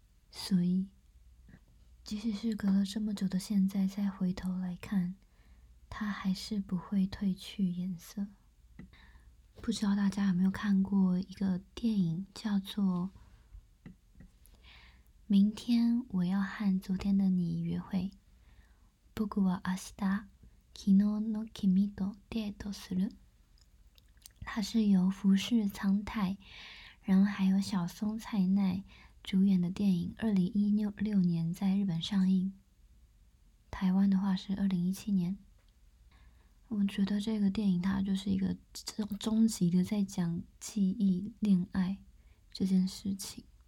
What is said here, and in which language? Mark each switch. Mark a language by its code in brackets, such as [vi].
[zh] 所以即使是隔了这么久的现在再回头来看，它还是不会褪去颜色。不知道大家有没有看过一个电影叫做明天我要和昨天的你约会。 [ja] 僕は明日昨日の君とデートする。 [zh] 它是由浮世苍太然后还有小松菜奈主演的电影，2016年在日本上映，台湾的话是2017年。我觉得这个电影它就是一个终极的在讲记忆恋爱这件事情。